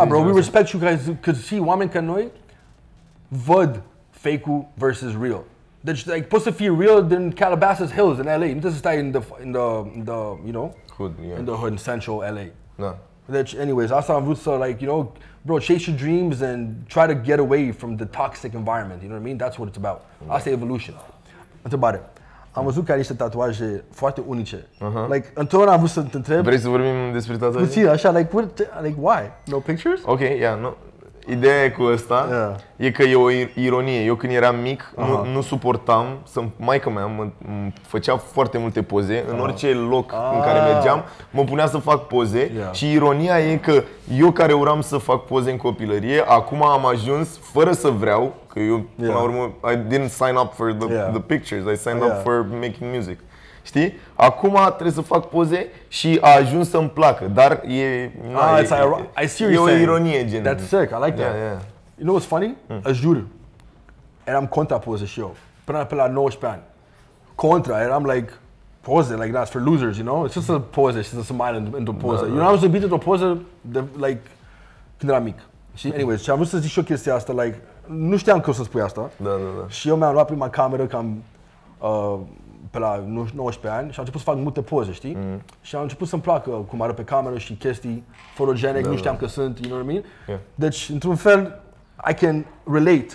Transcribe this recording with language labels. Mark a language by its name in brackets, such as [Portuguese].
[Romanian] Da, bro, [English] we respect you guys, [Romanian] că și oameni ca noi văd fake-ul versus real. Deci, like, poți să fii real din Calabasas Hills in LA. Nu trebuie să stai in the you know, [English] hood, in the hood, in central LA. [Romanian] Da. Deci, anyways, asta am vrut să, [English] like, you know, bro, chase your dreams and try to get away from the toxic environment, you know what I mean? That's what it's about. Da. [Romanian] Asta e evolution. Întrebare. Am văzut că ai niște tatuaje foarte unice. Uh-huh. Like, întotdeauna am vrut să te întreb. Vrei să vorbim despre tatuaje? Puțin, așa, [English] like, why? No pictures? Ok, yeah, no. [Romanian] Ideea cu ăsta e că e o ironie. Eu când eram mic, nu suportam să maica mea mă făcea foarte multe poze în orice loc în care mergeam, mă punea să fac poze și ironia e că eu care uram să fac poze în copilărie, acum am ajuns fără să vreau, că eu până la urmă [English] I didn't sign up for the pictures, I signed up for making music. [Romanian] Știi? Acum trebuie să fac poze și a ajuns să-mi placă, dar e [English] I see [Romanian] o ironie, gen. [English] That's sick, I like that. Yeah, yeah. You know what's funny? Mm. [Romanian] Jur, eram contra poze și eu, până la 19 ani. [English] Contra, eram like, poze, like, that's for losers, you know? It's just a poze, it's just a smile into poze. You know, I was obedient to a poze, like, [Romanian] când eram mic. Și anyways, și am vrut să zic și eu chestia asta, like, nu știam că o să spui asta. Da. Și eu mi-am luat prima cameră, cam, pe la 19 ani și am început să fac multe poze, știi? Mm. Și am început să-mi placă cum arăt pe cameră și chestii fotogenic, nu știam că sunt, [English] you know what I mean? Yeah. [Romanian] Deci, într-un fel, [English] I can relate